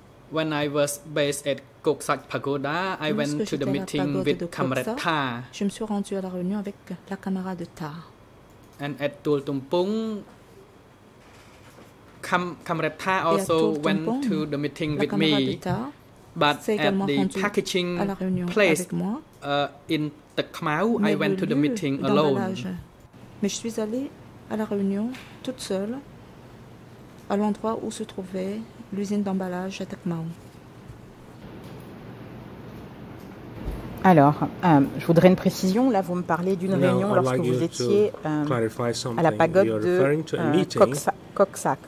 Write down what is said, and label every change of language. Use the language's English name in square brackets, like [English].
[English] When I was based at Koksak Pagoda, I went to the meeting with Comrade Tha. [French] Je me suis rendu à la réunion avec la camarade Tha. [English] And at Tuol Tumpung, Comrade Tha also went to the meeting with me. But at the packaging place in Takmau, I went to the meeting alone. [French] Mais je suis allée à la réunion toute seule à l'endroit où se trouvait l'usine d'emballage à Takmau. Alors, je voudrais une précision. Là, vous me parlez d'une réunion lorsque vous étiez à la pagode de Koksak.